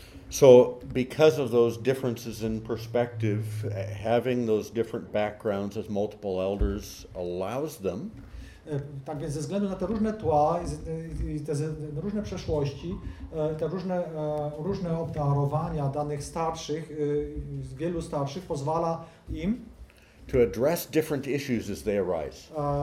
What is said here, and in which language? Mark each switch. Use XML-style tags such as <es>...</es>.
<en>So because of those differences in perspective, having those different backgrounds as multiple elders allows them.</en> <pl>Tak więc ze względu na te różne tła i te różne przeszłości, te różne obdarowania danych starszych, wielu starszych pozwala im</pl> <en>to address different issues as they arise.</en>